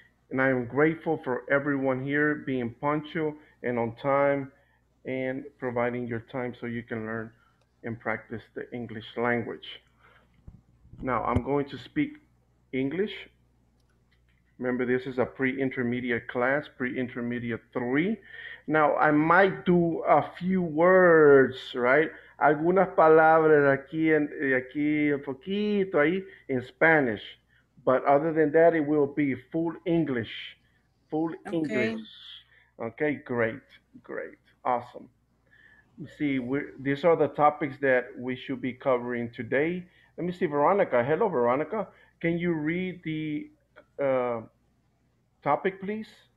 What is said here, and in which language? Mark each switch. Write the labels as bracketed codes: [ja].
[en] And I am grateful for everyone here being punctual and on time and providing your time so you can learn and practice the English language. Now, I'm going to speak English. Remember, this is a pre-intermediate class, pre-intermediate three. Now, I might do a few words, right? [es] Algunas palabras aquí, un poquito ahí, [en] in Spanish. But other than that, it will be full English. Full English. Okay. Okay, great, great, awesome. You see, these are the topics that we should be covering today. Let me see, Veronica. Hello, Veronica. Can you read the topic, please?